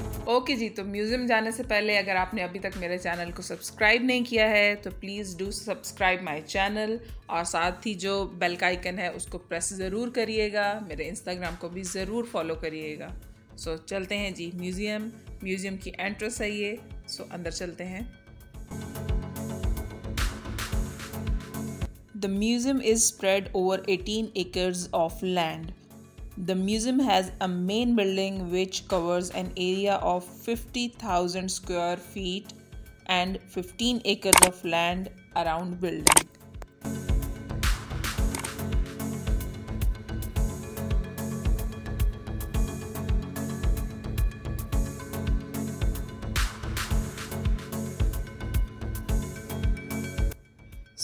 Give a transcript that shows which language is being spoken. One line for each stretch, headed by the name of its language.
Urdu: Okay جی, تو museum جانے سے پہلے اگر آپ نے ابھی تک میرے چینل کو سبسکرائب نہیں کیا ہے تو
English: please do subscribe my channel,
Urdu: اور ساتھ ہی جو بیل کا آئیکن ہے اس کو پریس ضرور کریے گا. میرے انسٹاگرام کو بھی ضرور فالو کریے گا. سو چلتے ہیں جی میوزیم. میوزیم کی انٹرنس ہے یہ, سو اندر چلتے ہیں.
English: The museum is spread over 18 acres of land. The museum has a main building which covers an area of 50,000 square feet and 15 acres of land around building.